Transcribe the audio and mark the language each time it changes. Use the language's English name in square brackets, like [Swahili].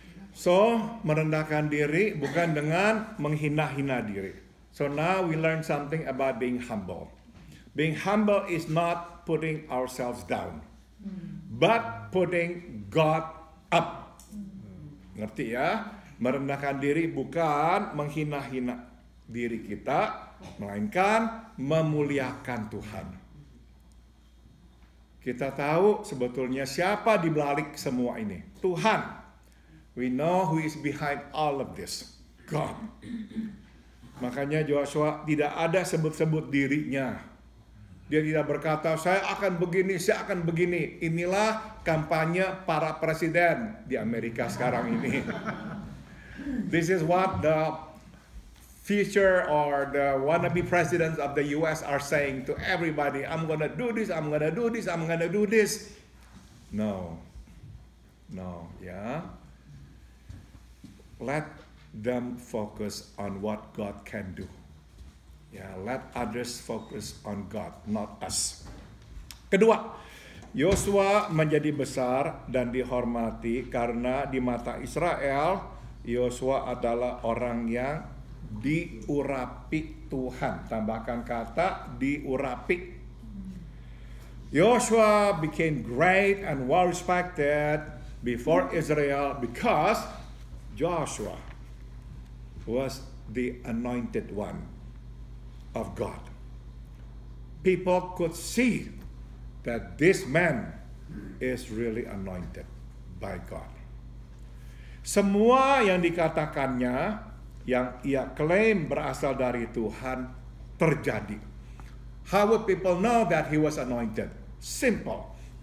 [Indonesian] So, merendahkan diri bukan dengan menghina-hina diri. [English] So now we learn something about being humble. Being humble is not putting ourselves down, but putting God up. [Indonesian] Ngerti ya? Merendahkan diri bukan menghina-hina diri kita, melainkan memuliakan Tuhan. Kita tahu sebetulnya siapa di balik semua ini? Tuhan. [English] We know who is behind all of this. God. [Indonesian] Makanya Joshua tidak ada sebut-sebut dirinya. Dia tidak berkata, saya akan begini, saya akan begini. Inilah kampanye para presiden di Amerika sekarang ini. [English] This is what the future or the wannabe presidents of the US are saying to everybody. I'm gonna do this, I'm gonna do this, I'm gonna do this. No. No, yeah. Let them focus on what God can do. Yeah, let others focus on God, not us. [Indonesian] Kedua, Yosua menjadi besar dan dihormati karena di mata Israel Yosua adalah orang yang diurapi Tuhan. Tambahkan kata diurapi. [English] Yosua became great and well respected before Israel because Joshua was the anointed one of God. People could see that this man is really anointed by God. [Indonesian] Semua yang dikatakannya, yang ia klaim berasal dari Tuhan, terjadi. [English] How would people know that he was anointed? Simple.